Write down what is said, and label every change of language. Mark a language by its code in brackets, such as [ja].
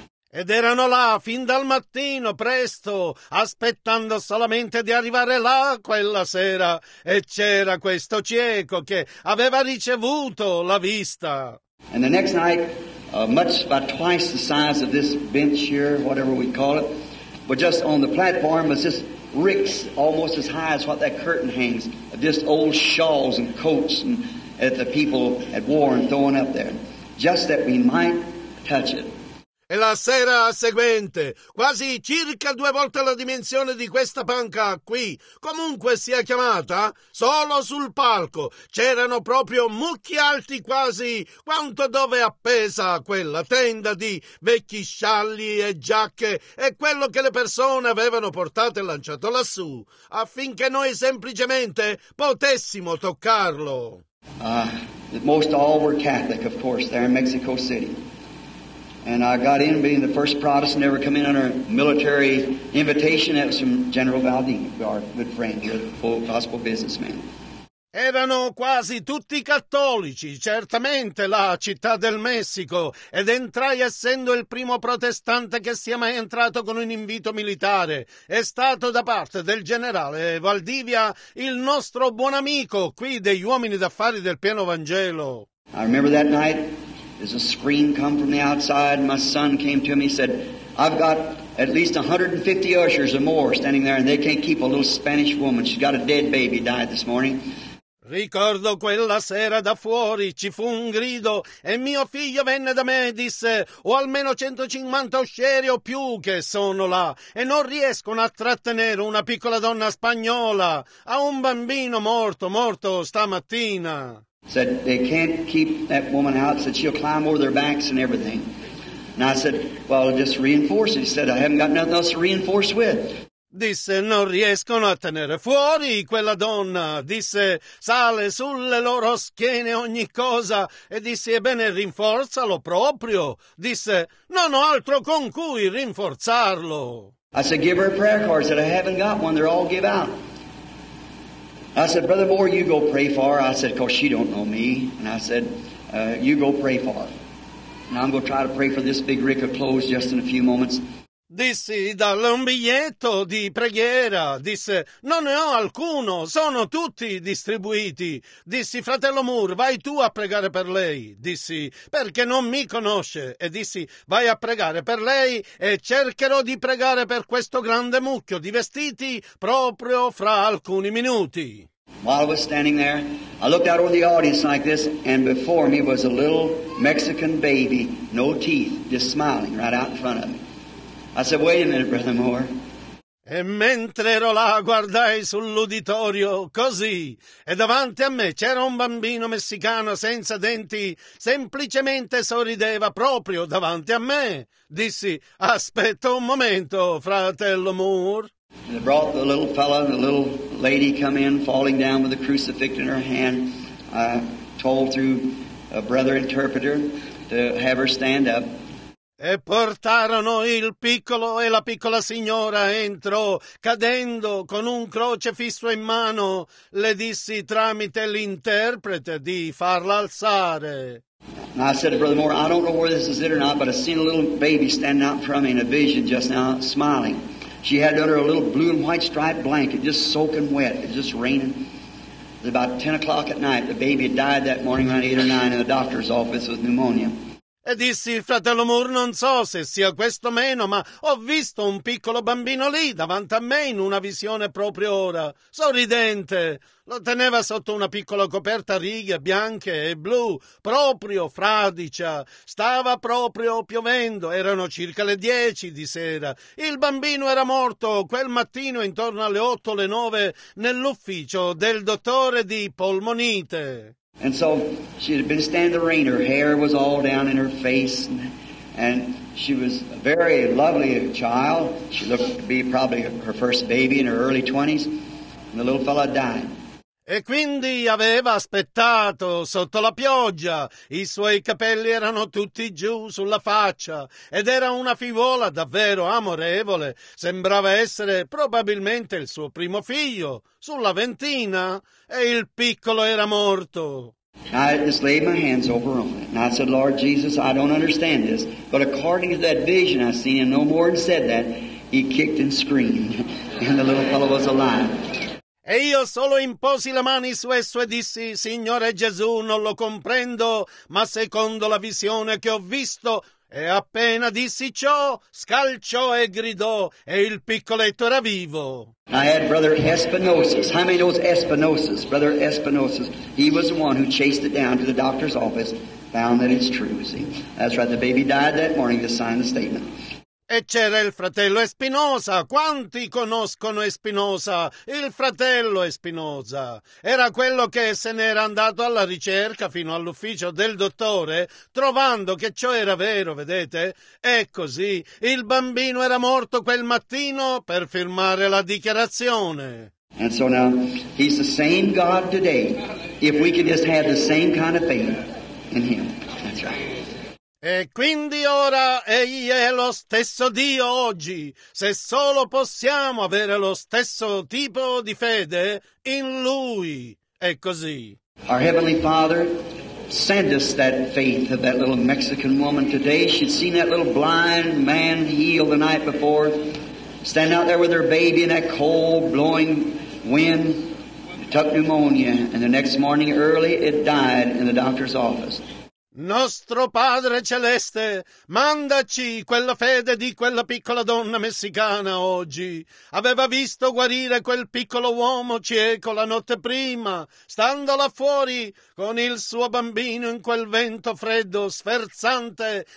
[it] Ed erano là fin dal mattino presto, aspettando solamente di arrivare là quella sera. E c'era questo cieco che aveva ricevuto la vista. [en] And the next night, much about twice the size of this bench here, whatever we call it, but just on the platform was this ricks almost as high as what that curtain hangs, just old shawls and coats and that the people had worn throwing up there, just that we might touch it. [it] E la sera seguente, quasi circa due volte la dimensione di questa panca qui, comunque sia chiamata, solo sul palco, c'erano proprio mucchi alti quasi quanto dove appesa quella tenda di vecchi scialli e giacche e quello che le persone avevano portato e lanciato lassù, affinché noi semplicemente potessimo toccarlo. [en] Most all were Catholic, of course, there in Mexico City. And I got in, being the first Protestant to ever come in under a military invitation. That was from General Valdez, our good friend here, the full gospel businessman. [it] Erano quasi tutti cattolici, certamente la Città del Messico, ed entrai essendo il primo protestante che sia mai entrato con un invito militare. È stato da parte del generale Valdivia, il nostro buon amico qui degli uomini d'affari del Pieno Vangelo. [en] I remember that night. There's a scream come from the outside. My son came to me and said, I've got at least 150 ushers or more standing there and they can't keep a little Spanish woman. She's got a dead baby, died this morning. [it] Ricordo quella sera da fuori ci fu un grido e mio figlio venne da me e disse ho almeno 150 uscieri o più che sono là e non riescono a trattenere una piccola donna spagnola. Ha un bambino morto stamattina. [en] Said they can't keep that woman out. Said she'll climb over their backs and everything. And I said, well, just reinforce it. He said, I haven't got nothing else to reinforce with. [it] Disse, non riescono a tenere fuori quella donna. Disse, sale sulle loro schiene ogni cosa. E disse, ebbene, rinforzalo proprio. Disse, non ho altro con cui rinforzarlo. [en] I said, give her a prayer card. I said, I haven't got one. They're all give out. I said, Brother Moore, you go pray for her. I said, because she don't know me. And I said, you go pray for her. And I'm going to try to pray for this big rick of clothes just in a few moments. [it] Dissi, dalle un biglietto di preghiera. Disse, non ne ho alcuno, sono tutti distribuiti. Dissi, fratello Moore, vai tu a pregare per lei. Dissi, perché non mi conosce. E dissi, vai a pregare per lei e cercherò di pregare per questo grande mucchio di vestiti proprio fra alcuni minuti. [en] While I was standing there, I looked out over the audience like this, and before me was a little Mexican baby, no teeth, just smiling right out in front of me. I said, wait a minute, Brother Moore. [it] E mentre ero là, guardai sull'uditorio, così, e davanti a me c'era un bambino messicano senza denti, semplicemente sorrideva proprio davanti a me. Dissi, aspetta un momento, fratello Moore. [en] They brought the little fella and the little lady come in, falling down with a crucifix in her hand. I told through a brother interpreter to have her stand up. [it] E portarono il piccolo e la piccola signora entro, cadendo con un crocefisso in mano. Le dissi tramite l'interprete di farla alzare. [en] And I said to Brother Moore, I don't know where this is it or not, but I seen a little baby standing out in front of me in a vision just now, smiling. She had under a little blue and white striped blanket, just soaking wet. It was just raining. It was about 10 o'clock at night. The baby had died that morning around 8 or 9 in the doctor's office with pneumonia. [it] E dissi, fratello Moore, non so se sia questo meno, ma ho visto un piccolo bambino lì davanti a me in una visione proprio ora, sorridente. Lo teneva sotto una piccola coperta a righe bianche e blu, proprio fradicia. Stava proprio piovendo, erano circa le 10 di sera. Il bambino era morto quel mattino intorno alle 8 o le 9 nell'ufficio del dottore di polmonite. [en] And so she had been standing in the rain, her hair was all down in her face, and she was a very lovely child. She looked to be probably her first baby in her early 20s, and the little fella died. [it] E quindi aveva aspettato sotto la pioggia, i suoi capelli erano tutti giù sulla faccia ed era una figliuola davvero amorevole, sembrava essere probabilmente il suo primo figlio, sulla ventina, e il piccolo era morto. [en] I just laid my hands over on it and I said, Lord Jesus, I don't understand this, but according to that vision I seen him, no more than said that, he kicked and screamed and the little fellow was alive. [it] E io solo imposi le mani su esso e dissi, Signore Gesù, non lo comprendo, ma secondo la visione che ho visto, e appena dissi ciò, scalciò e gridò, e il piccoletto era vivo. [en] I had Brother Espinosis. How many knows Espinosis? Brother Espinosis, he was the one who chased it down to the doctor's office, found that it's true, see? That's right, the baby died that morning to sign the statement. [it] E c'era il fratello Espinosa. Quanti conoscono Espinosa? Il fratello Espinosa. Era quello che se n'era andato alla ricerca fino all'ufficio del dottore, trovando che ciò era vero, vedete? E così il bambino era morto quel mattino per firmare la dichiarazione. [en] And so now, he's the same God today. If we could just have the same kind of faith in him. That's right. [it] E quindi ora egli è lo stesso Dio oggi, se solo possiamo avere lo stesso tipo di fede in Lui. È così. [en] Our Heavenly Father sent us that faith of that little Mexican woman today. She'd seen that little blind man healed the night before, stand out there with her baby in that cold blowing wind, took pneumonia, and the next morning early it died in the doctor's office. [it] Nostro Padre Celeste, mandaci quella fede di quella piccola donna messicana oggi. Aveva visto guarire quel piccolo uomo cieco la notte prima, stando là fuori con il suo bambino in quel vento freddo, sferzante.